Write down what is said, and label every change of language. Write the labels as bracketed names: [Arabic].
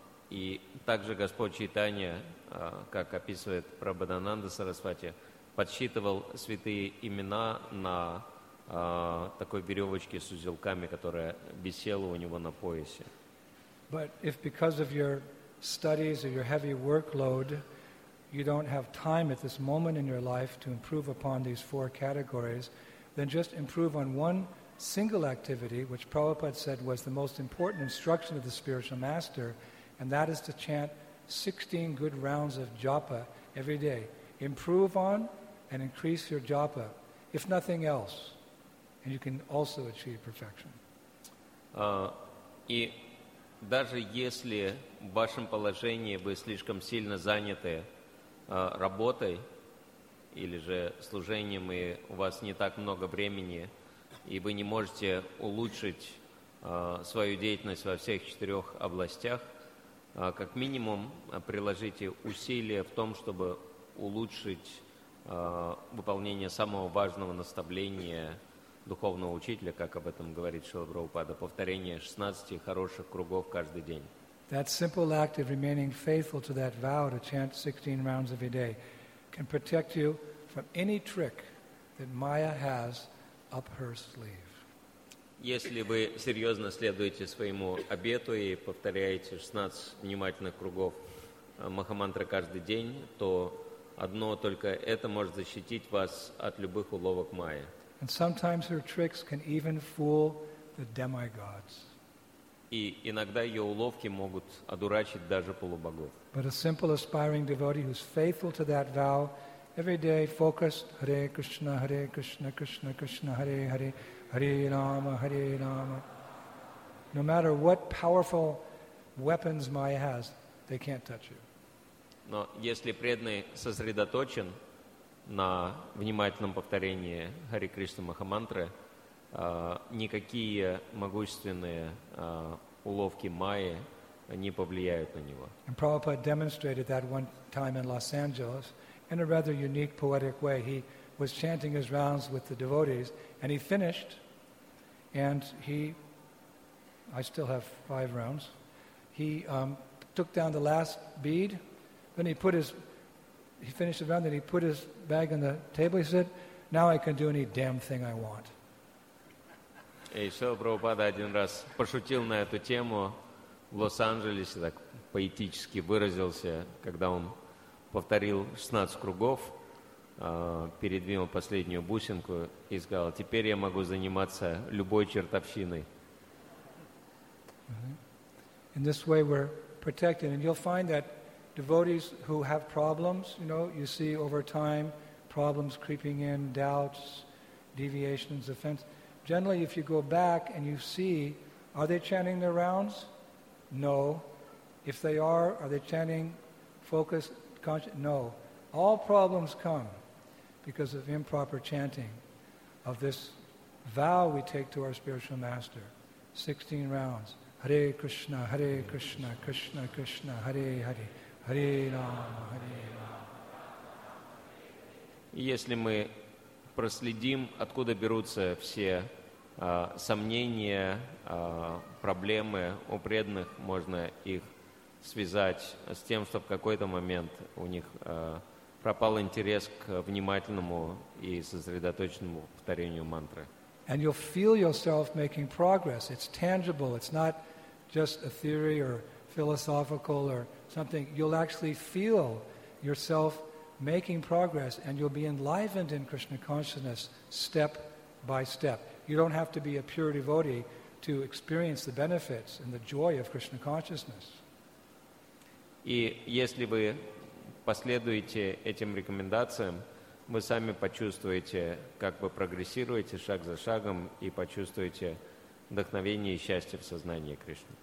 [Russian] И также Господь Чайтанья, как описывает Прабхадананда Сарасвати, подсчитывал святые имена на такой веревочке с узелками, которая висела у него на поясе. [English] But if because of your studies or your heavy workload, you don't have time at this moment in your life to improve upon these four categories, then just improve on one single activity, which Prabhupada said was the most important instruction of the spiritual master, and that is to chant 16 good rounds of japa every day. Improve on and increase your japa, if nothing else, and you can also achieve perfection. [Russian] И даже если в вашем положении вы слишком сильно заняты работой или же служением, и у вас не так много времени, и вы не можете улучшить свою деятельность во всех четырех областях, как минимум приложите усилия в том, чтобы улучшить выполнение самого важного наставления духовного учителя, как об этом говорит Шрила Прабхупада, повторение 16 хороших кругов каждый день. [English] That simple act of remaining faithful to that vow to chant 16 rounds every day can protect you from any trick that Maya has up her sleeve. [Russian] Если вы серьезно следуете своему обету и повторяете 16 внимательных кругов Махамантры каждый день, то одно только это может защитить вас от любых уловок Майи. [English] And sometimes her tricks can even fool the demigods. [Russian] И иногда ее уловки могут одурачить даже полубогов. [English] But a simple aspiring devotee who's faithful to that vow, every day focused, Hare Krishna, Hare Krishna, Krishna Krishna, Hare Hare, Hare Rama, Hare Rama. No matter what powerful weapons Maya has, they can't touch you. [Russian] Но если преданный сосредоточен на внимательном повторении Hare Krishna Махамантры, никакие могущественные уловки Майи не повлияют на него. [English] And Prabhupada demonstrated that one time in Los Angeles in a rather unique poetic way. He was chanting his rounds with the devotees and he finished and he, I still have five rounds, he took down the last bead, then he put his, he finished the round, then he put his bag on the table, he said, now I can do any damn thing I want. [Russian] И Шрила Прабхупада один раз пошутил на эту тему в Лос-Анджелесе, так поэтически выразился, когда он повторил 16 кругов, передвинул последнюю бусинку и сказал, теперь я могу заниматься любой чертовщиной. [English] In this way we're protected. And you'll find that devotees who have problems, you know, you see over time problems creeping in, doubts, deviations, offense. Generally, if you go back and you see, are they chanting their rounds? No. If they are they chanting focused, conscious? No. All problems come because of improper chanting of this vow we take to our spiritual master. 16 rounds. Hare Krishna, Hare Krishna, Krishna Krishna, Hare Hare, Hare Rama, Hare Rama. [Russian] Если мы проследим, откуда берутся все сомнения, проблемы у преданных, можно их связать с тем, что в какой-то момент у них пропал интерес к внимательному и сосредоточенному повторению мантры. [English] And you'll feel yourself making progress. It's tangible. It's not just a theory or philosophical or something. You'll actually feel yourself making progress and you'll be enlivened in Krishna consciousness step by step. You don't have to be a pure devotee to experience the benefits and the joy of Krishna consciousness. [Russian] И если вы последуете этим рекомендациям, вы сами почувствуете, как вы прогрессируете шаг за шагом и почувствуете вдохновение и счастье в сознании Кришны.